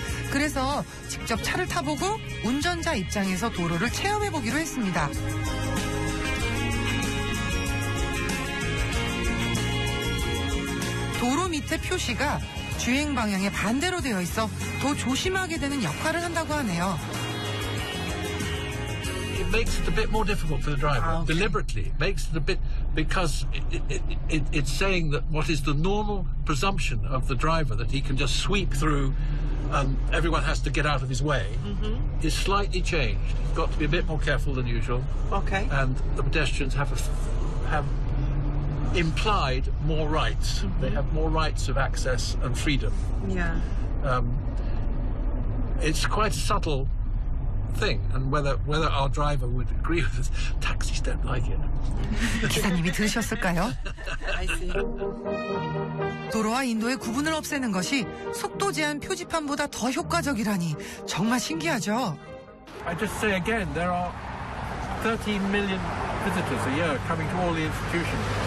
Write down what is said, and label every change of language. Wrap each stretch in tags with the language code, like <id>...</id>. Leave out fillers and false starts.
<ko>그래서 직접 차를 타보고 운전자 입장에서 도로를 체험해보기로 했습니다. 도로 밑에 표시가 주행 방향에 반대로 되어 있어 더 조심하게 되는 역할을 한다고 하네요.</ko> <en>It makes it a bit more difficult for the driver. Okay. Deliberately makes it a bit because it's saying that what is the normal presumption of the driver that he can just sweep through and everyone has to get out of his way mm-hmm. is slightly changed. He's got to be a bit more careful than usual. Okay. And the pedestrians have implied more rights. Mm-hmm. They have more rights of access and freedom. Yeah. It's quite a subtle thing, and whether our driver would agree with us, taxis don't like it.</en> <ko>기사님이 들으셨을까요?</ko> <en>I see.</en> <ko>도로와 인도의 구분을 없애는 것이 속도 제한 표지판보다 더 효과적이라니 정말 신기하죠.</ko> <en>I just say again, there are 13 million visitors a year coming to all the institutions.</en>